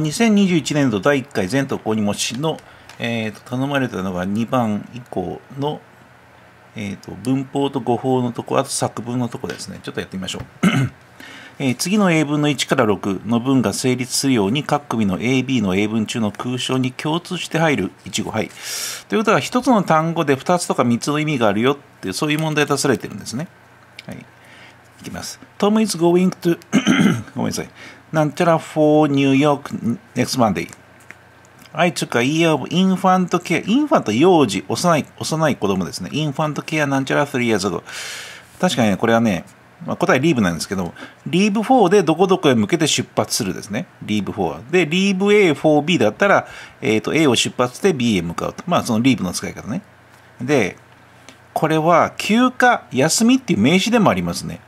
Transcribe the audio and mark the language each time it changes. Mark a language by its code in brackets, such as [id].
[ja] 2021年度第1回全都公認模試の、頼まれたのが2番以降の、文法と語法のところ、あと作文のところですね。ちょっとやってみましょう。次の英文の1から6の文が成立するように各組の AB の英文中の空章に共通して入る一語、はい、ということは一つの単語で2つとか3つの意味があるよっていう、そういう問題出されてるんですね。はい、いきます。 [en] Tom is going to [ja] ごめんなさい、なんちゃら [en] for New York next Monday。 I took a year of infant care。 [ja] infant 幼児、幼い子供ですね。 [en] infant care [ja] なんちゃら [en] 3 years ago。 [ja] 確かにこれはね、まあ、答え leave なんですけど、 leave for でどこどこへ向けて出発するですね。 leave for で leave A for B だったら、A を出発して B へ向かうと、まあその leave の使い方ね。でこれは休暇、休みっていう名詞でもありますね。